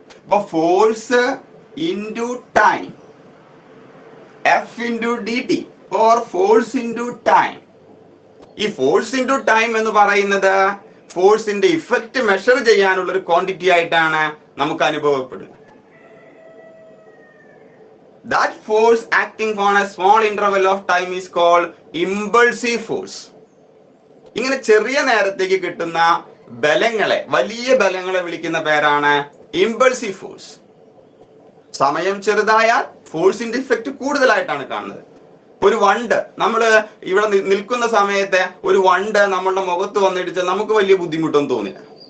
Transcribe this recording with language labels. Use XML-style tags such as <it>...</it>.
<en>But force into time, F into dt, or force into time.</en> <ml>ഈ</ml> <en>force into time</en> <ml>എന്ന് പറയുന്നത് ഫോഴ്സിന്റെ effect measure ചെയ്യാനുള്ള ഒരു ക്വാണ്ടിറ്റി ആയിട്ടാണ് നമുക്ക് അനുഭവപ്പെടുന്നത്.</ml> <en>That force acting on a small interval of time is called impulsive force.</en> <ml>ഇങ്ങനെ ചെറിയ നേരത്തേക്ക് കിട്ടുന്ന ബലങ്ങളെ, വലിയ ബലങ്ങളെ വിളിക്കുന്ന പേരാണ് ഇമ്പൾസീവ് ഫോഴ്സ്. സമയം ചെറുതായാൽ ഫോഴ്സിന്റെ ഇഫക്റ്റ് കൂടുതലായിട്ടാണ് കാണുന്നത്. ഒരു വണ്ട് നമ്മൾ ഇവിടെ നിൽക്കുന്ന സമയത്തെ ഒരു വണ്ട് നമ്മളുടെ മുഖത്ത് വന്നിടിച്ച നമുക്ക് വലിയ ബുദ്ധിമുട്ടൊന്നും തോന്നില്ല.</ml>